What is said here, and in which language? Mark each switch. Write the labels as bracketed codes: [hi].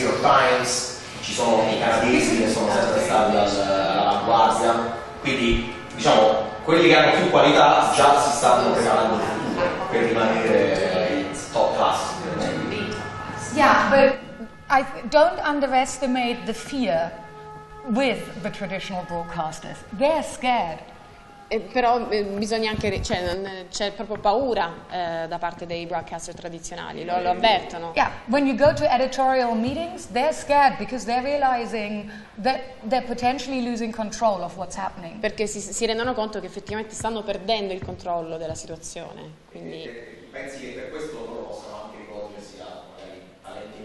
[it] Times, ci sono i canadesi che sono sempre stati all'avanguardia, quindi diciamo quelli che hanno più qualità già si stanno preparando il futuro per rimanere top class. [en] Yeah, but I don't underestimate the fear with the traditional broadcasters. They're scared. [it] Però bisogna anche, cioè, c'è proprio paura da parte dei broadcaster tradizionali, lo avvertono. [en] Yeah, when you go to editorial meetings, they're scared because they're realizing that they're potentially losing control of what's happening. [it] Perché si rendono conto che effettivamente stanno perdendo il controllo della situazione. Quindi pensi che per questo loro possano anche rivolgersi a talenti